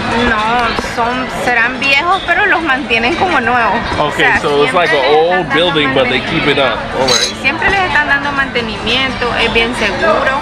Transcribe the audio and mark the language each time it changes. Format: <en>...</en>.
<es>No, son, serán viejos, pero los mantienen como nuevos.</es> <en>Okay,</en> <es>o sea,</es> <en>so it's like an old building, but they keep it up. Alright.</en> <es>Siempre les están dando mantenimiento, es bien seguro.</es>